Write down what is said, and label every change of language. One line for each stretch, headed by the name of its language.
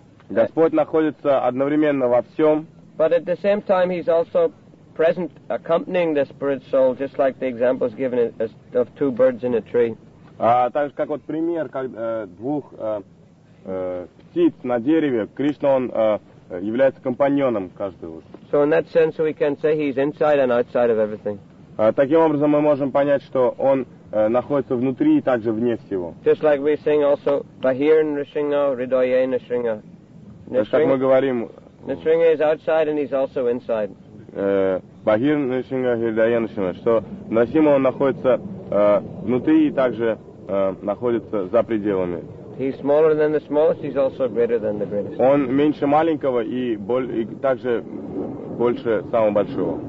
Russian: Господь находится одновременно во всем.
English: But at the same time, he's also present, accompanying the spirit soul, just like the example is given as of two birds in a tree.
Russian: Также как вот пример, как двух птиц на дереве, Кришна он является компаньоном каждого.
English: So in that sense, we can say he's inside and outside of everything.
Russian: Таким образом мы можем понять, что он находится внутри и также вне всего.
English: Just like we sing also
Sanskrit: Bahir Nrisinga, Ridoye Nrisinga.
Russian: Как мы говорим.
English: Nrisinga is outside and he's also inside.
Sanskrit: Bahir Nrisinga, Hridaye Nrisinga.
Russian: Что Нрисимха он находится внутри и также находится за пределами.
English: He's smaller than the smallest, he's also greater than the greatest.
Russian: Он меньше маленького и также больше самого большого.